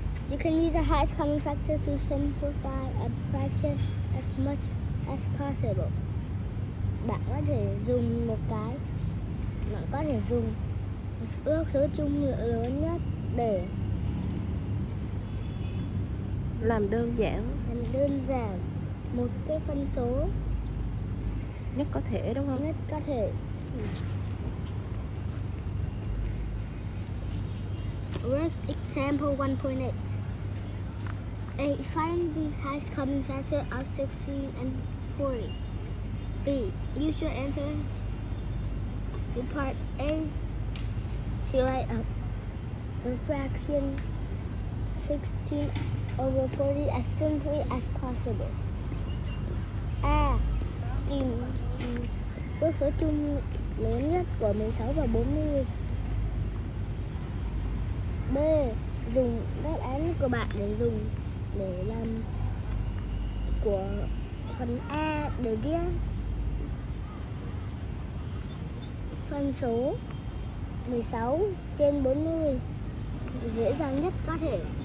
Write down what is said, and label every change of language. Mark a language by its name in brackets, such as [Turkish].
[English] You can use the highest common factor to simplify a fraction as much as possible. [Vietnamese] bạn có thể dùng một cái, bạn có thể dùng ước số chung lớn nhất để làm đơn giản, làm đơn giản một cái phân số nhất có thể, đúng không? Nhất có thể. [English] Let's example 1.8. A, find the highest common factor of 16 and 40. B, use your answer to part A to write up the fraction 16 over 40 as simply as possible. [Vietnamese] A, tìm ước số chung lớn nhất của 16 và 40. B, dùng đáp án của bạn để dùng để làm của phần A để viết phân số 16 trên 40 dễ dàng nhất có thể.